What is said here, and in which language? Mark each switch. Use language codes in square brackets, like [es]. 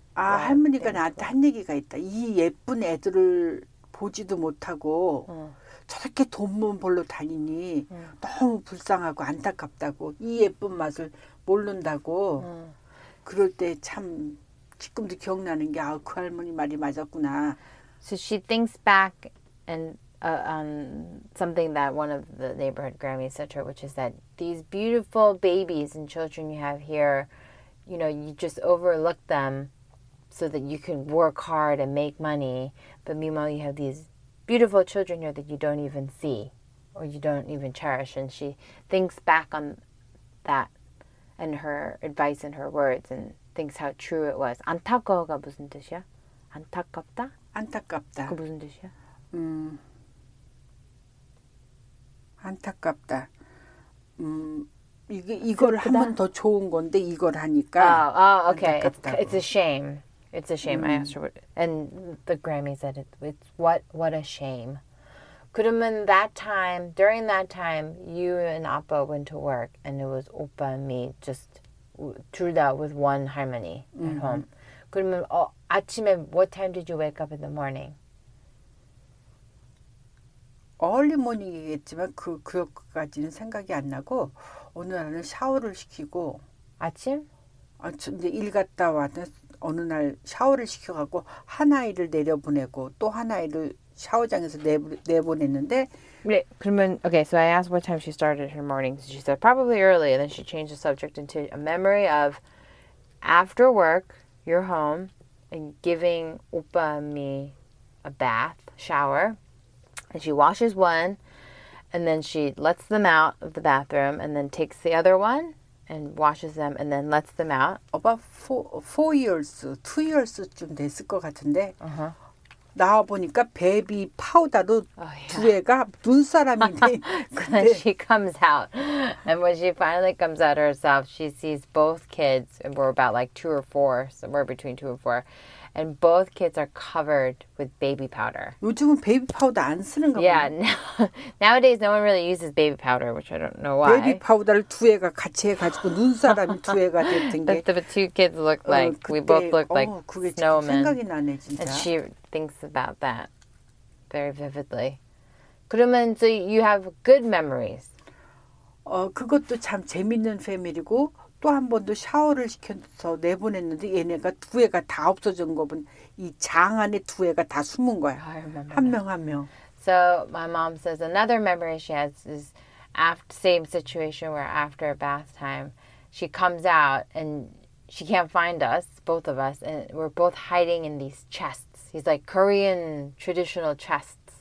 [ko] 아, 할머니가 나한테 한 얘기가 있다. 이 예쁜 애들을 보지도 못하고 저렇게 돈만 벌러 다니니 너무 불쌍하고 안타깝다고 이 예쁜 맛을 모른다고 그럴 때 참 지금도 기억나는 게 아, 그 할머니 말이 맞았구나. [en] So she thinks back and on something that one of the neighborhood Grammy said to her, which is that these beautiful babies and children you have here, you know, you just overlook them so that you can work hard and make money, but meanwhile you have these beautiful children here that you don't even see or you don't even cherish. And she thinks back on that and her advice and her words and thinks how true it was. [ko] 안타까워가 무슨 뜻이야? 안타깝다? 안타깝다. 그 무슨 뜻이야? 안타깝다. 이걸 한 번 더 좋은 건데 이걸 하니까 [en] okay. [ko] 안타깝다고. [en] It's a shame. It's a shame. I asked her, and the Grammy said it's what a shame. 그러면 during that time, you and 아빠 went to work, and it was 오빠 and me just [ko] 둘 다 [en] with one 할머니 at home. [ko] 그러면 아침에 [en] what time did you wake up in the morning? Early morning [ko] 이겠지만 그것까지는 생각이 안 나고 어느 날은 샤워를 시키고 아침? 아침 이제 일 갔다 왔는 어느 날 샤워를 시켜갖고 한 아이를 내려보내고 또 한 아이를 샤워장에서 내보냈는데 네, 그러면 [en] okay, so I asked what time she started her mornings. She said probably early, and then she changed the subject into a memory of after work, you're home, and giving 오빠 and me a bath, shower, and she washes one, and then she lets them out of the bathroom, and then takes the other one, and washes them and then lets them out. About two years [ko] 쯤 됐을 것 같은데. Uh-huh. 나와 보니까 베이비 파우더로 두 애가 눈사람이 돼. [en] She comes out. And when she finally comes out herself, she sees both kids, and we're about like two or four, somewhere between two and four. And both kids are covered with baby powder. [ko] 요즘은 베이비 파우더 안 쓰는가 봐요. [en] Yeah, nowadays no one really uses baby powder, which I don't know why. [ko] 베이비 파우더를 두 애가 같이 해가지고 눈사람이 두 애가 됐던 게. [en] The two kids look like, [ko] 그때, [en] we both look like snowmen. [ko] 생각이 나네, 진짜. [en] And she thinks about that very vividly. [ko] 그러면, [en] so you have good memories. [ko] 그것도 참 재밌는 패밀리고, 또 한 번도 샤워를 시켜서 내보냈는데 얘네가 두 애가 다 없어진 거 본 이 장 안에 두 애가 다 숨은 거야. 한 명 한 명. [en] So my mom says another memory she has is after same situation where after bath time she comes out and she can't find us, both of us, and we're both hiding in these chests. He's like Korean traditional chests.